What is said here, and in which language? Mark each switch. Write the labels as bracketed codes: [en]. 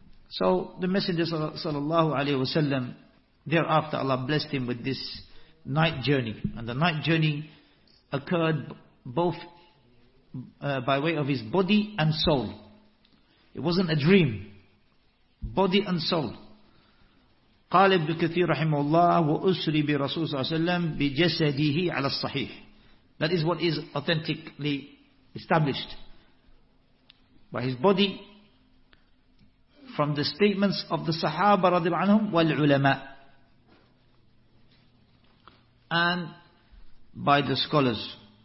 [en] So the Messenger sallallahu alayhi wa sallam, thereafter Allah blessed him with this night journey. And the night journey occurred both by way of his body and soul. It wasn't a dream. Body and soul. [ar] قال ابن كثير رحمه الله وأسري برسول صلى الله عليه وسلم بجسده على الصحيح. [en] That is what is authentically established by his body from the statements of the Sahaba [ar] رضي الله عنهم والعلماء [en] and by the scholars.